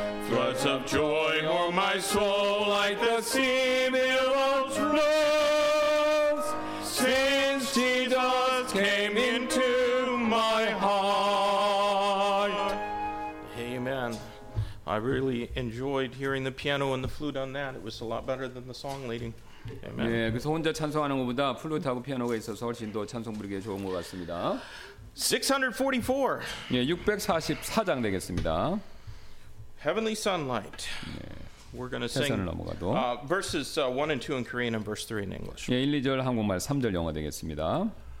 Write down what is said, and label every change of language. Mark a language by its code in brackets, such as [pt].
[en] Floods of joy o'er my soul like the sea billows flows. Since Jesus came into my heart. Amen. I really enjoyed hearing the piano and the flute on that. It was a lot better than the song leading. Amen. [ko] 예, 그래서 혼자 찬송하는 것보다 플루트하고 피아노가 있어서 훨씬 더 찬송 부르기에 좋은 것 같습니다. [en] 644. [ko] 예, 644장 되겠습니다. [en] Heavenly sunlight. 예, We're going to sing. [ko] 태산을 넘어가도. [en] Verses 1 and 2 in Korean and verse 3 in English. [ko] 예, 1, 2절 한국말, 3절 영어 되겠습니다.